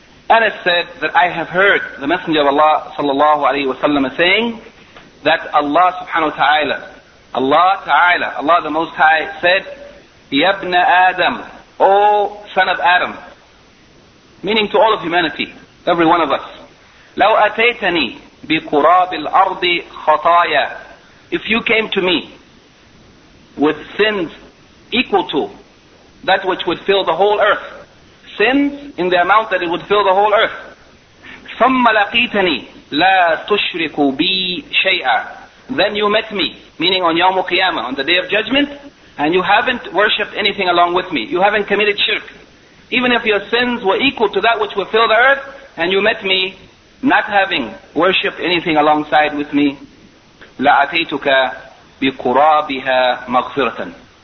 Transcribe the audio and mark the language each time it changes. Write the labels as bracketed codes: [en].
[en] Anas said that I have heard the Messenger of Allah sallallahu alayhi wa sallam saying that Allah subhanahu wa ta'ala, Allah the Most High said, [ar] يَبْنَ [en] Adam, O son of Adam, meaning to all of humanity, every one of us. [ar] لَوْ أَتَيْتَنِي بِقُرَابِ الْأَرْضِ خَطَايَا. [en] If you came to me with sins equal to that which would fill the whole earth, sins in the amount that it would fill the whole earth. [ar] ثُمَّ لَقِيتَنِي لَا تُشْرِكُ بِي شَيْئًا. [en] Then you met me, meaning on [ar] يَوْمُ قِيَامَة, [en] on the Day of Judgment, and you haven't worshipped anything along with me. You haven't committed shirk. Even if your sins were equal to that which would fill the earth, and you met me not having worshipped anything alongside with me, [ar] لَأَتَيْتُكَ بِقُرَابِهَا مَغْفِرَةً.